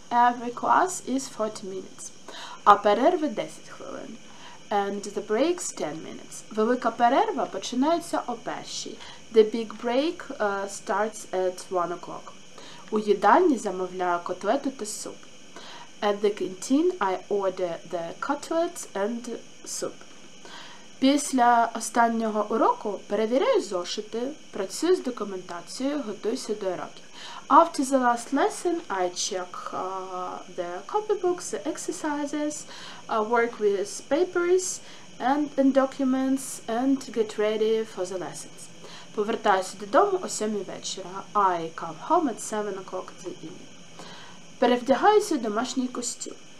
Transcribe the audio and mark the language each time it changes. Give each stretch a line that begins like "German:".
English: Every class is 40 minutes.
Ukrainian: А перерви 10 хвилин.
English: And the breaks 10 minutes.
Ukrainian: Велика перерва починається о 1.
English: The big break starts at 1 o'clock.
Ukrainian: У їдальні замовляю котлету та суп.
English: At the canteen I order the cutlets and soup.
Ukrainian: Після останнього уроку перевіряю зошити, працюю з документацією, готуюся до уроків.
English: After the last lesson, I check the copybooks, the exercises, work with papers and documents, and get ready for the lessons.
Ukrainian: Повертаюся додому о 7 вечора.
English: I come home at 7 o'clock in the evening.
Ukrainian: Перевдягаюся в домашній костюм.